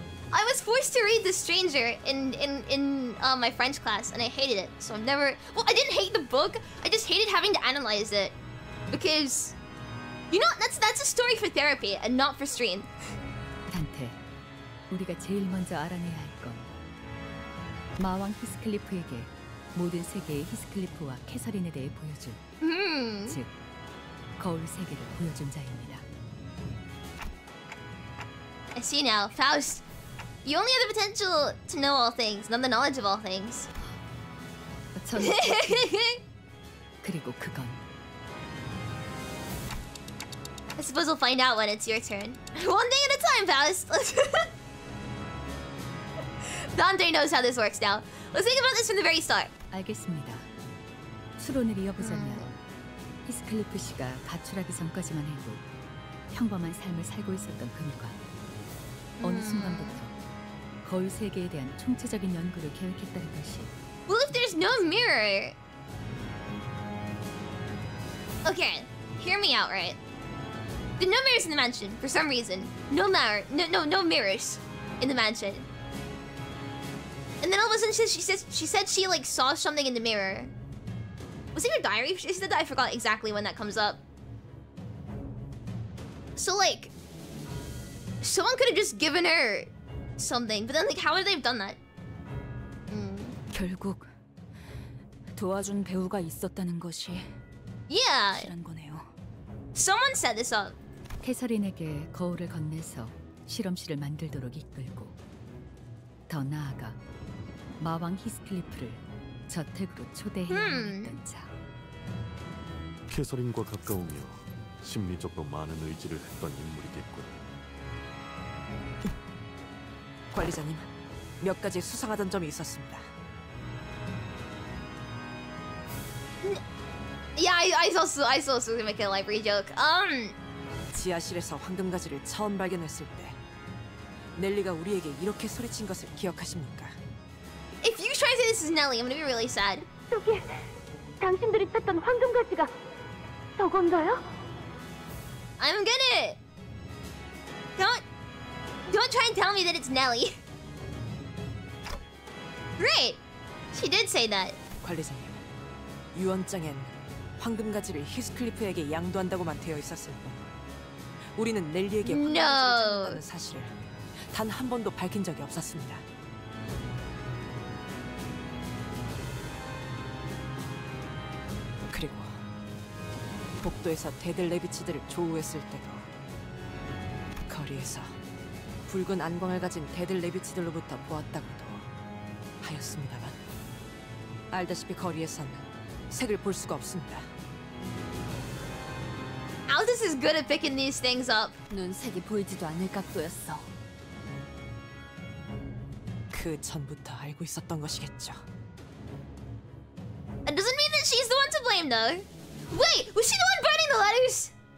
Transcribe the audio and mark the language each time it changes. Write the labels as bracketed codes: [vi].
[en] I was forced to read The Stranger in my French class, and I hated it. So I've never... Well, I didn't hate the book. I just hated having to analyze it. Because... You know, that's a story for therapy, and not for stream. [ko] 한테 우리가 제일 먼저 알아내야 할 건 마왕 히스클리프에게 모든 세계의 히스클리프와 캐서린에 대해 보여줄 즉 거울 세계를 보여준 자입니다. [en] I see now, Faust. You only have the potential to know all things, not the knowledge of all things. [ko] 그리고 그건 [en] I suppose we'll find out when it's your turn. One thing at a time, Faust! Dante knows how this works now. Let's think about this from the very start. [ko] 알겠습니다. 추론을 이어보자면 히스클리프 씨가 가출하기 전까지만 해도 평범한 삶을 살고 있었던 그녀가 어느 순간부터 거울 세계에 대한 총체적인 연구를 계획했다는 것이 [en] Well, if there's no mirror... Okay, hear me out, right? There are no mirrors in the mansion, for some reason. No mirrors in the mansion. And then all of a sudden she said she like saw something in the mirror. Was it your diary? She said that I forgot exactly when that comes up. So like, someone could have just given her something, but then like how would they have done that? [ko] 결국 도와준 배우가 있었다는 것이 확실한 거네요. [en] Someone set this up. [ko] 캐서린에게 거울을 건네서 실험실을 만들도록 이끌고 더 나아가 마왕 히스클리프를 저택으로 초대해야 했던 자. 캐서린과 가까우며 심리적으로 많은 의지를 했던 인물이겠군. 관리자님, 몇 가지 수상하던 점이 있었습니다. [en] Yeah, I saw to make a library joke. [ko] 지하실에서 황금 가지를 처음 발견했을 때 넬리가 우리에게 이렇게 소리친 것을 기억하십니까? [en] If you try to say this is Nelly, I'm gonna be really sad. [ko] 저게 당신들이 찾던 황금 가지가 저건가요? [en] I'm gonna don't try and tell me that it's Nelly. Great, she did say that. [ko] 관리자님, 유언장엔 황금 가지를 히스클리프에게 양도한다고만 되어 있었을 뿐 우리는 넬리에게 황금 가지를 찾는다는 사실을 단 한 번도 밝힌 적이 없었습니다. 그리고 복도에서 데들레비치들을 조우했을 때도 거리에서 붉은 안광을 가진 데들레비치들로부터 보았다고도 하였습니다만 알다시피 거리에서는 색을 볼 수가 없습니다. [en] Aldous is good at picking these things up. [ko] 눈색이 보이지도 않을 각도였어. 그 전부터 알고 있었던 것이겠죠. [en] That doesn't mean that she's the one to blame, though. Wait, was she the one burning the letters?